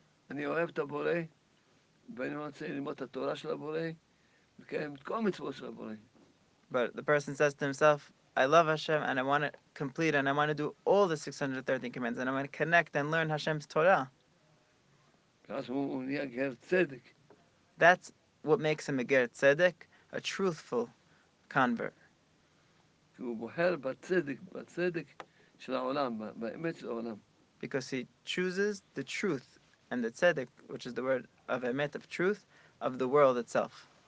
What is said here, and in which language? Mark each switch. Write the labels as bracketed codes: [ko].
[he] אני אוהב את הבורא, ואני רוצה ללמוד את התורה של הבורא, וקיים את כל המצוות של הבורא. [en] But the person says to himself, I love Hashem, and I want to complete, and I want to do all the 613 commands, and I want to connect and learn Hashem's Torah. [he] ואז הוא נהיה גר צדק. [en] That's what makes him a גר צדק, a truthful convert. [he] כי הוא בוחר בצדק, בצדק של העולם, באמת של העולם. [en] Because he chooses the truth. And the tzedek, which is the word of emet, of truth, of the world itself.